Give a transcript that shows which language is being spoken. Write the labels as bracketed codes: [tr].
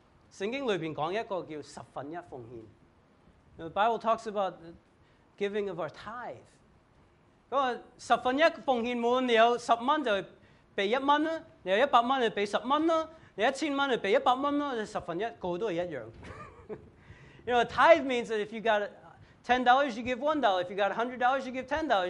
[yue] 圣经里边讲一个叫十分一奉献。 [en] The Bible talks about the giving of our tithe. [yue] 十分一奉献，你有10蚊就俾1蚊啦，你有100蚊就俾10蚊啦，你1000蚊就俾100蚊啦，十分一个都系一样。 [en] You know, tithe means that if you got $10, you give $1. If you got $100, you give $10.